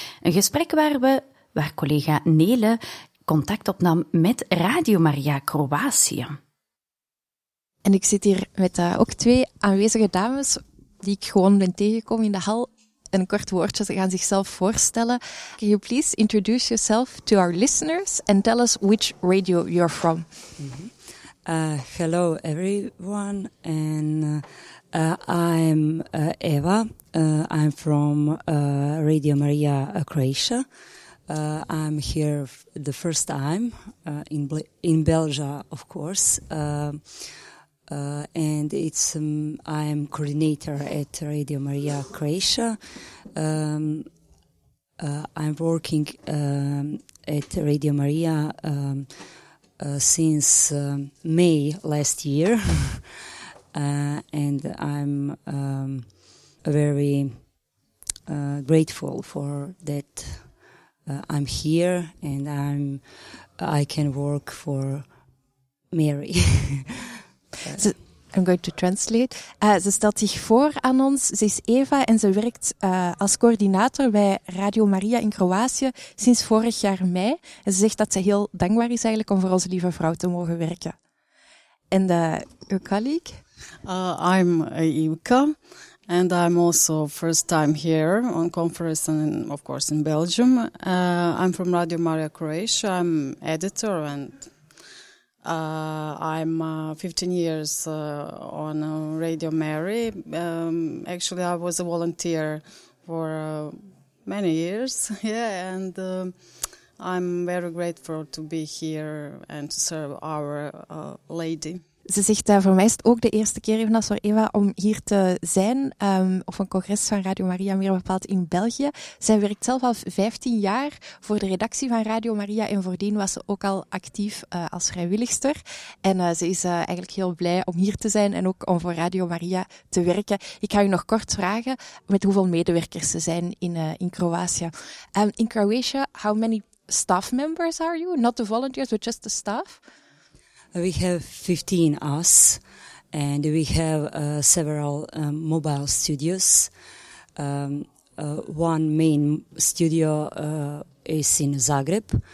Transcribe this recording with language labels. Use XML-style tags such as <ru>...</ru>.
<nl>Een gesprek waar collega Nele contact opnam met Radio Maria Kroatië. En ik zit hier met ook twee aanwezige dames die ik gewoon ben tegengekomen in de hal. Een kort woordje, ze gaan zichzelf voorstellen.</nl> <en>Can you please introduce yourself to our listeners and tell us which radio you're from? Mm-hmm. Hello everyone, and I'm Eva. I'm from Radio Maria Croatia. I'm here the first time in Belgium, of course. I'm coordinator at Radio Maria Croatia. I'm working at Radio Maria since May last year, and I'm very grateful for that. I'm here, and I can work for Mary. I'm going to translate.</en> <nl>Ze stelt zich voor aan ons. Ze is Eva en ze werkt als coördinator bij Radio Maria in Kroatië sinds vorig jaar mei. En ze zegt dat ze heel dankbaar is eigenlijk om voor onze lieve vrouw te mogen werken. En uw colleague?</nl> <en>I'm Iwka and I'm also first time here on conference and of course in Belgium. I'm from Radio Maria Croatia. I'm editor and I'm 15 years on Radio Mary. Actually, I was a volunteer for many years. Yeah, and I'm very grateful to be here and to serve our lady.</en> <nl>Ze zegt, voor mij is het ook de eerste keer, even als voor Eva, om hier te zijn op een congres van Radio Maria, meer bepaald in België. Zij werkt zelf al 15 jaar voor de redactie van Radio Maria en voordien was ze ook al actief als vrijwilligster. En ze is eigenlijk heel blij om hier te zijn en ook om voor Radio Maria te werken. Ik ga u nog kort vragen met hoeveel medewerkers ze zijn in Kroatië.</nl> <en>In Croatia, how many staff members are you? Not the volunteers, but just the staff? We have 15 us, and we have several mobile studios. One main studio is in Zagreb.</en>